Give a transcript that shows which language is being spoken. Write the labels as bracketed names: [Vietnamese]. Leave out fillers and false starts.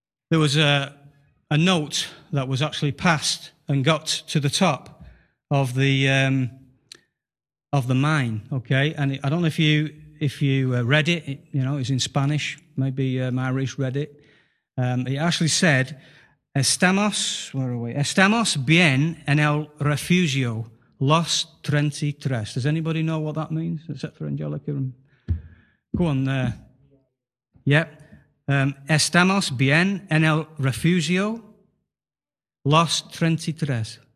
[English] There was a note that was actually passed and got to the top of the mine, okay? And I don't know if you read it, you know, it's in Spanish. Maybe Maurice read it. It actually said, [Spanish] "Estamos, [English] where are we? [Spanish] Estamos bien en el refugio, los 33. [English] Does anybody know what that means, except for Angelica? Go on there. Yep. [Spanish] Estamos bien en el refugio, los 33.